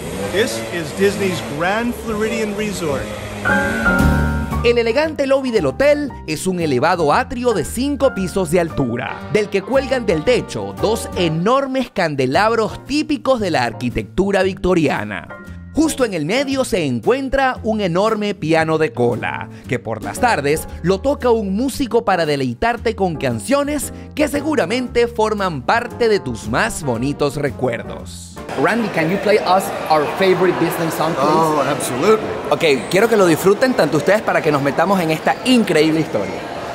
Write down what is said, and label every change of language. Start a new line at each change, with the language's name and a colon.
English: This is Disney's Grand Floridian Resort.
Spanish: El elegante lobby del hotel es un elevado atrio de 5 pisos de altura, del que cuelgan del techo 2 enormes candelabros típicos de la arquitectura victoriana. Justo en el medio se encuentra un enorme piano de cola, que por las tardes lo toca un músico para deleitarte con canciones que seguramente forman parte de tus más bonitos recuerdos.
English: Randy, can you play us our favorite Disney song, please? Oh, absolutely.
Spanish: Okay, quiero que lo disfruten tanto ustedes para que nos metamos en esta increíble historia.